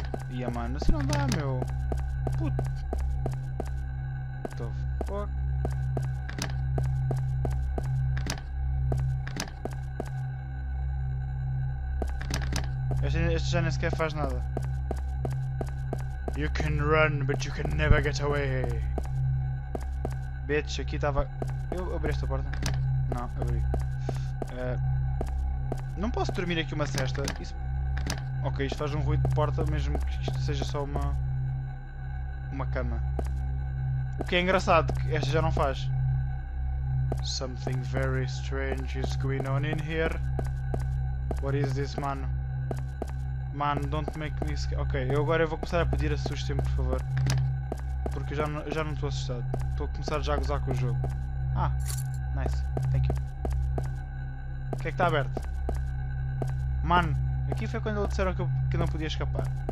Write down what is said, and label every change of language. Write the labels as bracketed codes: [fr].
[pt] Ia mano, assim não dá, meu. Puto. Este já nem sequer faz nada. [en] You can run, but you can never get away. [pt] Bitch, aqui estava. Eu abri esta porta? Não, abri. Não posso dormir aqui uma sesta. Isso. Ok, isto faz um ruído de porta, mesmo que isto seja só uma. Uma cama. O que é engraçado, que esta já não faz. [en] Something very strange is going on in here. What is this, mano? Mano, don't make me scared. [pt] Ok, eu agora vou começar a pedir assustem-me, por favor. Porque já não estou assustado. Estou a começar já a gozar com o jogo. Ah, [en] nice. Thank you. [pt] O que é que está aberto? Mano, aqui foi quando eles disseram que não podia escapar.